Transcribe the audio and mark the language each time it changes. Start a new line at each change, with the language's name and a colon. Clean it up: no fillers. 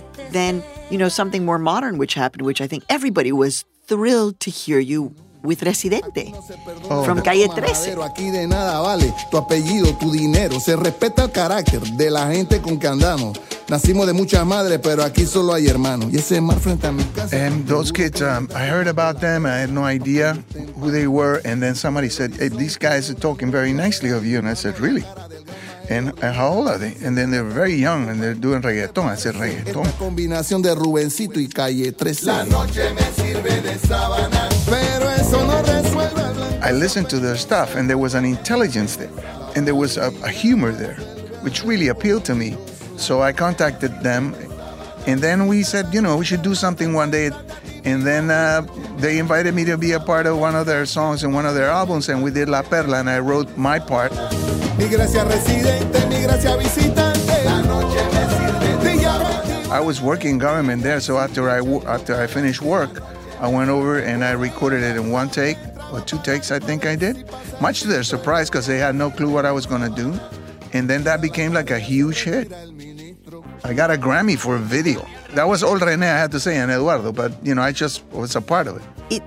English: Then, you know, something more modern which happened, which I think everybody was thrilled to hear you with Residente from Calle 13.
Spanish: Aquí de nada vale tu apellido, tu dinero. Se respeta el carácter de la gente con que andamos. Nacimos de muchas madres, pero aquí solo hay hermanos. Y ese mar frente a mi casa.
English: And those kids, I heard about them. I had no idea who they were. And then somebody said, hey, these guys are talking very nicely of you. And I said, really? And how old are they? And then they're very young and they're doing reggaeton. I said, reggaeton.
Spanish: Esta combinación de Rubencito y Calle 13. La noche me sirve de sabana, pero eso no resuelve.
English: I listened to their stuff and there was an intelligence there. And there was a humor there, which really appealed to me. So I contacted them, and then we said, you know, we should do something one day. And then they invited me to be a part of one of their songs and one of their albums, and we did La Perla, and I wrote my part.
Spanish: Mi gracia residente, mi gracia visitante. La noche me sirve de llave.
English: I was working government there, so after I finished work, I went over and I recorded it in one take, or two takes, I think I did. Much to their surprise, because they had no clue what I was going to do. And then that became like a huge hit. I got a Grammy for a video. That was all René, I had to say, and Eduardo, but, you know, I just was a part of it.